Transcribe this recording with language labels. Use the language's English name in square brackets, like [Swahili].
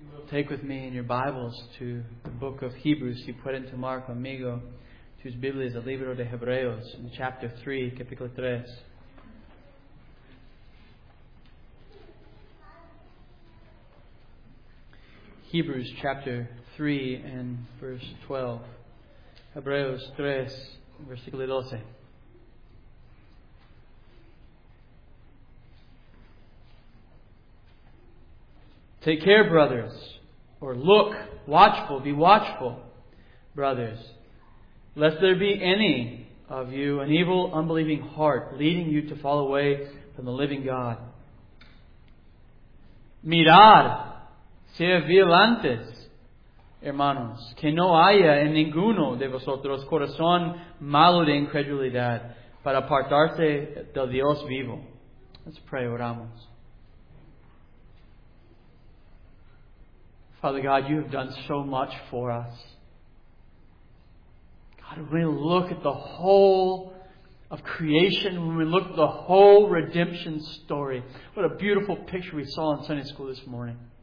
[English] take with me in your Bibles to the book of Hebrews. [Spanish] Si pueden tomar conmigo tus Biblias, el libro de Hebreos, [English] in chapter 3, [Spanish] capítulo 3. [English] Hebrews chapter 3 and verse 12. [Spanish] Hebreos 3, versículo 12. [English] Take care, brothers, or look, watchful, be watchful, brothers, lest there be any of you an evil, unbelieving heart leading you to fall away from the living God. [Spanish] Mirad, sea vigilantes, hermanos, que no haya en ninguno de vosotros corazón malo de incredulidad para apartarse del Dios vivo. [English] Let's pray, [Spanish] oramos. [English] Father God, you have done so much for us. God, when we look at the whole of creation, when we look at the whole redemption story, what a beautiful picture we saw in Sunday school this morning.